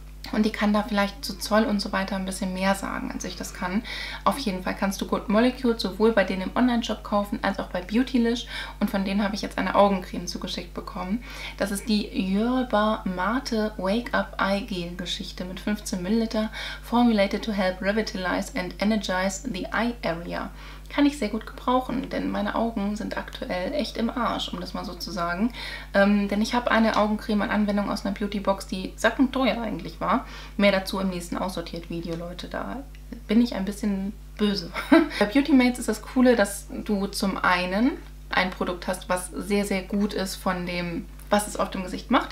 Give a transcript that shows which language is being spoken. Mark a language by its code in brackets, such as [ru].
[de] Und die kann da vielleicht zu Zoll und so weiter ein bisschen mehr sagen, als ich das kann. Auf jeden Fall kannst du Good Molecules sowohl bei denen im Online-Shop kaufen, als auch bei Beautylish. Und von denen habe ich jetzt eine Augencreme zugeschickt bekommen. Das ist die Yerba Mate Wake Up Eye Gel Geschichte mit 15 ml. [en] Formulated to help revitalize and energize the eye area. [de] Kann ich sehr gut gebrauchen, denn meine Augen sind aktuell echt im Arsch, um das mal so zu sagen. Denn ich habe eine Augencreme an Anwendung aus einer Beautybox, die sackenteuer eigentlich war. Mehr dazu im nächsten Aussortiert-Video, Leute. Da bin ich ein bisschen böse. Bei Beauty Mates ist das Coole, dass du zum einen ein Produkt hast, was sehr, sehr gut ist von dem, was es auf dem Gesicht macht.